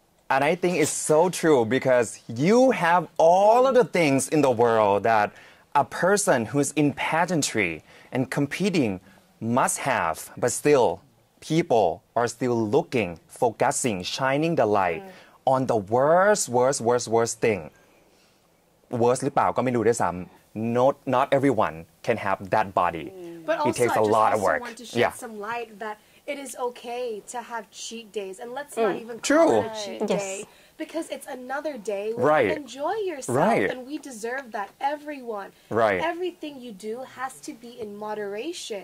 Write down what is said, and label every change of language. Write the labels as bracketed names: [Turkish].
[English] And I think it's so true because you have all of the things in the world thatA person who's in pageantry and competing must have, but still, people are still looking, focusing, shining the light on the worst thing. Worst [Thai] หรือเปล่าก็ไม่รู้ด้วยซ้ำ [English] not everyone can have that body. But also, it takes a lot of work. Yeah. Some light that it is okay to have cheat days, and let's not even call true. It a cheat yes. day. Because it's another day where right. you enjoy yourself, right. and we deserve that, everyone. Right. Everything you do has to be in moderation.